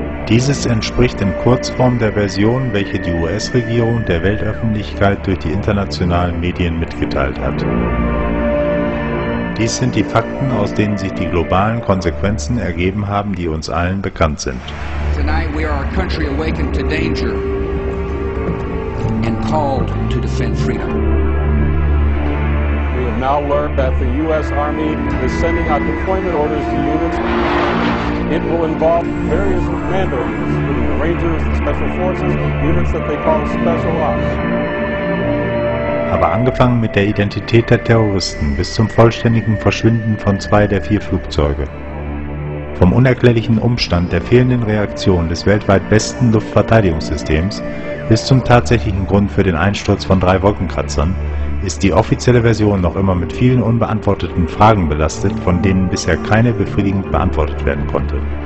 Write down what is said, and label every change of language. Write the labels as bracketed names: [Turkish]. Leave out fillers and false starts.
[German] Dieses entspricht in Kurzform der Version, welche die US-Regierung der Weltöffentlichkeit durch die internationalen Medien mitgeteilt hat. Dies sind die Fakten, aus denen sich die globalen Konsequenzen ergeben haben, die uns allen bekannt sind. [English] Tonight we are our country awakened to danger and called to defend freedom. We have now learned that the US Army is sending out deployment orders to units. It will involve various commandos, including the Rangers, the Special Forces, units that they call Special Ops. [German] Aber angefangen mit der Identität der Terroristen bis zum vollständigen Verschwinden von 2 der 4 Flugzeuge. Vom unerklärlichen Umstand der fehlenden Reaktion des weltweit besten Luftverteidigungssystems bis zum tatsächlichen Grund für den Einsturz von 3 Wolkenkratzern ist die offizielle Version noch immer mit vielen unbeantworteten Fragen belastet, von denen bisher keine befriedigend beantwortet werden konnte.